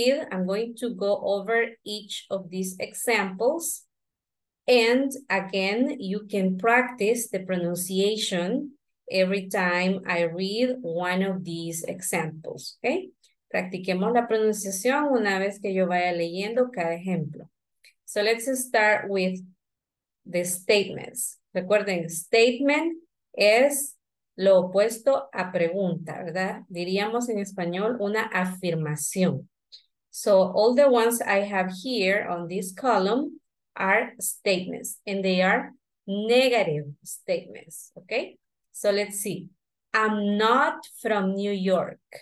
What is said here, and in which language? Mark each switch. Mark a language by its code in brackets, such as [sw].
[en] I'm going to go over each of these examples. And again, you can practice the pronunciation every time I read one of these examples, okay? [es] Practiquemos la pronunciación una vez que yo vaya leyendo cada ejemplo. [en] So let's start with the statements. [es] Recuerden, statement es lo opuesto a pregunta, ¿verdad? Diríamos en español una afirmación. [en] So all the ones I have here on this column are statements, and they are negative statements, okay? So let's see. I'm not from New York.